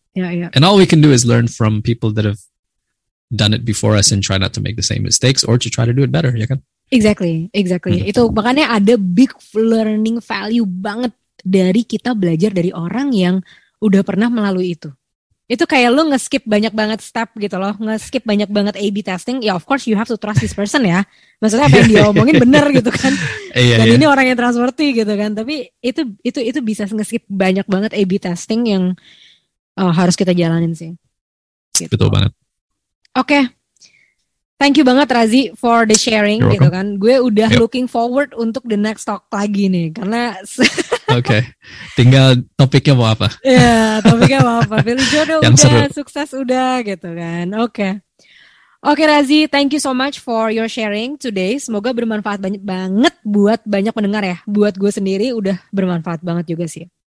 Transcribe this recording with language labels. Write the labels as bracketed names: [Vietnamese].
[English] And all we can do is learn from people that have done it before us and try not to make the same mistakes or to try to do it better, [Indonesian] ya kan? [English] Exactly. [Indonesian] Itu makanya ada big learning value banget dari kita belajar dari orang yang udah pernah melalui itu. Itu kayak lo nge-skip banyak banget step gitu loh, nge-skip banyak banget A-B testing, ya [English] of course you have to trust this person [Indonesian] ya. Maksudnya apa yang dia omongin benar gitu kan. Dan ini orang yang trustworthy gitu kan. Tapi itu bisa nge-skip banyak banget A-B testing yang harus kita jalanin sih. Gitu. Betul banget. [English] Oke. Thank you banget Razi for the sharing gitu kan. [Indonesian] Gue udah [English] looking forward [Indonesian] untuk [English] the next talk [Indonesian] lagi nih. Karena... Oke, tinggal topiknya mau apa? Iya, topiknya mau apa? Pilih jodoh yang udah, seru. Sukses udah gitu kan. [English] Oke, Razi, thank you so much for your sharing today. [Indonesian] Semoga bermanfaat banyak banget buat banyak pendengar ya. Buat gue sendiri udah bermanfaat banget juga sih.